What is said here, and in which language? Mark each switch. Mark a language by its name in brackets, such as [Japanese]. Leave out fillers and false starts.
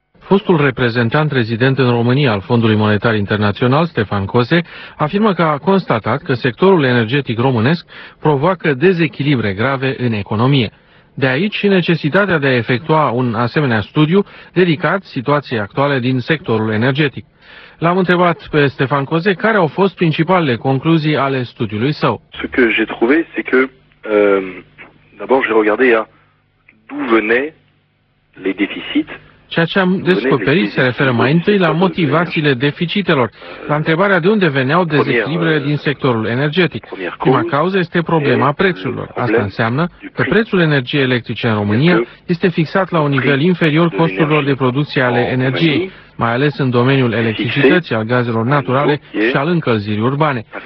[Romanian] Fostul reprezentant rezident în România al Fondului Monetar Internațional, Stefan Cose, afirmă că a constatat că sectorul energetic românesc provoacă dezechilibre grave în economie. De aici și necesitatea de a efectua un asemenea studiu dedicat situației actuale din sectorul energetic. L-am întrebat pe Stefan Cose care au fost principalele concluzii ale studiului său. [French] Ce que j'ai trouvé, c'est que d'abord j'ai regardé à d'où venaient les déficits. [Romanian] Ceea ce am descoperit se referă mai întâi la motivațiile deficitelor, la întrebarea de unde veneau dezechilibrele din sectorul energetic. Prima cauză este problema prețurilor. Asta înseamnă că prețul energiei electrice în România este fixat la un nivel inferior costurilor de producție ale energiei, mai ales în domeniul electricității, al gazelor naturale și al încălzirii urbane.